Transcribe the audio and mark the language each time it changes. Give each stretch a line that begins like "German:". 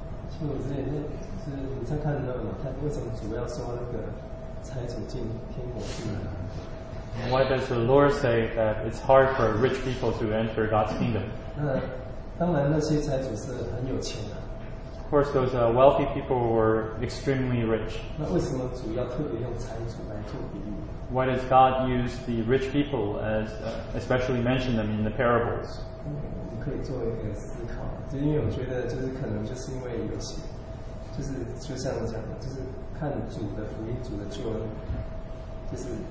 Chinese: 其实我之前是你在看那个，他为什么主要说那个财主进天国去呢？
English: Why does the Lord say that it's hard for rich people to enter God's kingdom?
Chinese: 当然那些财主是很有钱的。
English: Of course, those wealthy people were extremely rich.
Chinese: 那为什么主要特别用财主来做比喻？
English: Why does God use the rich people as especially mention them in the parables?
Chinese: 我可以做一个思考，就因为我觉得就是可能就是因为有钱，就是就像我讲的，就是看主的福音、主的救恩，就是。